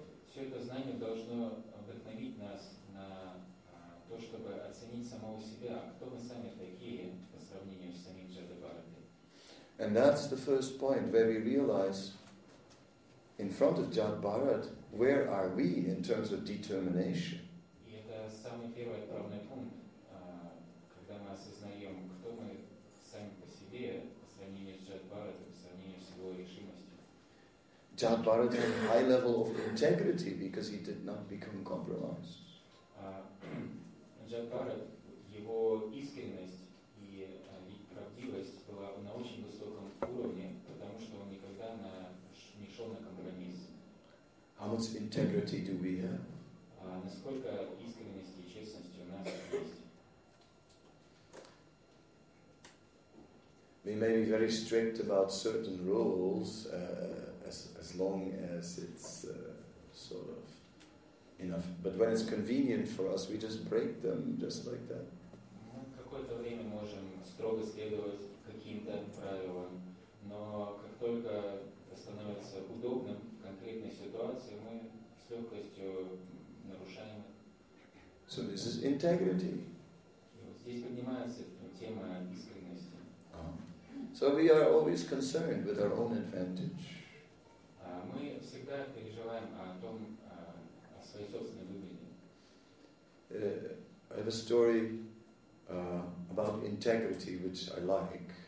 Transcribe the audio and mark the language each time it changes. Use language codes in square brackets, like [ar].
[ru] Все это знание должно вдохновить нас на то, чтобы оценить самого себя, кто мы сами такие по сравнению с самим Джата Бхаратой. [en] And that's the first point where we realize in front of Jat Bharat, where are we in terms of determination? [ru] И это самый первый отправный пункт, когда мы осознаем, кто мы сами по себе по сравнению с Джат Бхаратой, по сравнению с его решимостью. [en] Jat Bharat had a high level of integrity because he did not become compromised. [ru] Jat Bharat, его искренность и правдивость была на очень высоком уровне, потому что он никогда не шел на компромисс. [en] How much integrity do we have? [ru] Насколько искренности и честности у нас есть? [en] We may be very strict about certain rules. As long as it's sort of enough, but when it's convenient for us, we just break them just like that. [ru] Какое-то время можем строго следовать каким-то правилам, но как только становится удобным в конкретной ситуации, мы с легкостью нарушаем. [en] So this is integrity. [ru] Здесь поднимается тема искренности. [en] So we are always concerned with our own advantage. [ru] Мы всегда переживаем о своей собственной выгоде. [en] I have a story about integrity, which I like.